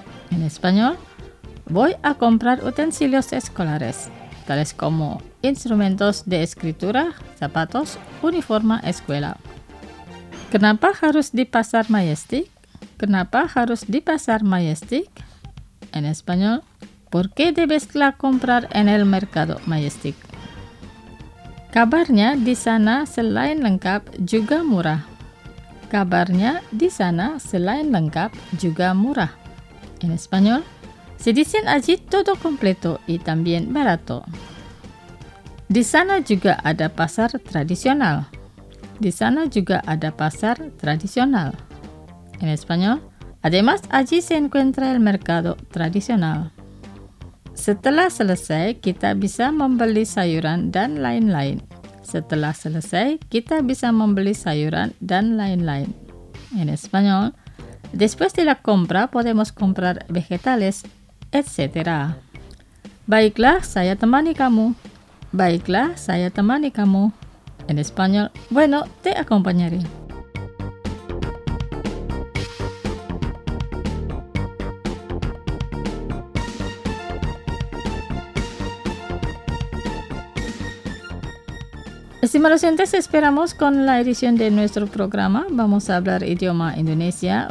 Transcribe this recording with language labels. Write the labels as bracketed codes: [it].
[es] En español, voy a comprar utensilios escolares, tales como instrumentos de escritura, zapatos, uniforme escuela. [id] ¿Kenapa harus di Pasar Majestic? ¿Kenapa harus di Pasar Majestic? [es] En español, ¿por qué debes la comprar en el Mercado Majestic? [id] Kabarnya di sana selain lengkap juga murah. Kabarnya di sana selain lengkap juga murah. [es] En español, se dicen allí todo completo y también barato. [id] Di sana juga ada pasar tradisional. Di sana juga ada pasar tradisional. [es] En español, además allí se encuentra el mercado tradicional. [id] Setelah selesai, kita bisa membeli sayuran dan lain-lain. Setelah selesai, kita bisa membeli sayuran dan lain-lain. [es] En español, después de la compra podemos comprar vegetales, etc. [id] Baiklah, saya temani kamu. Baiklah, saya temani kamu. [es] En español, bueno, te acompañaré. Estimados oyentes, esperamos con la edición de nuestro programa Vamos a hablar idioma indonesia.